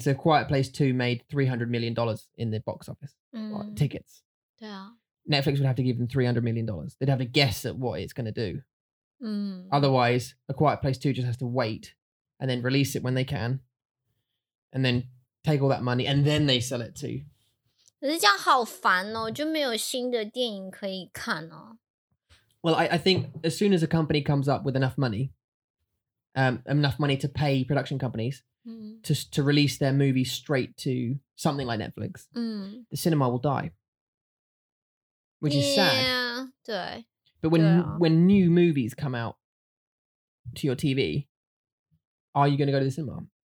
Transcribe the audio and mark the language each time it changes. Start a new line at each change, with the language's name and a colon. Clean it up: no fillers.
English: So Quiet Place 2 made $300 million in the box office, tickets. Yeah. Netflix would have to give them $300 million. They'd have to guess at what it's going to do. Otherwise, A Quiet Place 2 just has to wait and then release it when they can and then take all that money and then they sell it to.
Chinese: 可是这样好烦哦,就没有新的电影可以看哦。
English: Well, I think as soon as a company comes up with enough money, to pay production companies, to release their movie straight to something like Netflix, the cinema will die, which is sad. Yeah,
Chinese: 对.
English: But when new movies come out to your TV, are you going to go to the cinema?